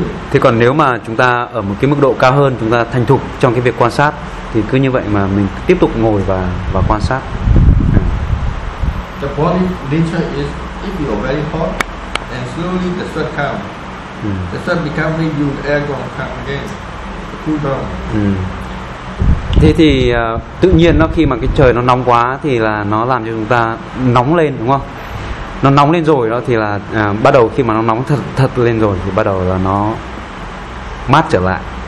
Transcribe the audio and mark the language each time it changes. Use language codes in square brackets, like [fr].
[vi] Thì còn nếu mà chúng ta ở một cái mức độ cao hơn, chúng ta thành thục trong cái việc quan sát, thì cứ như vậy mà mình tiếp tục ngồi và quan sát. [en] The body nature is if you are very hot and slowly the sweat come, the sweat become when you air go come again, cool down. [vi] Thì tự nhiên nó khi mà cái trời nó nóng quá thì là nó làm cho chúng ta nóng lên đúng không? Nó nóng lên rồi đó thì là bắt đầu khi mà nó nóng thật lên rồi thì bắt đầu là nó mát trở lại.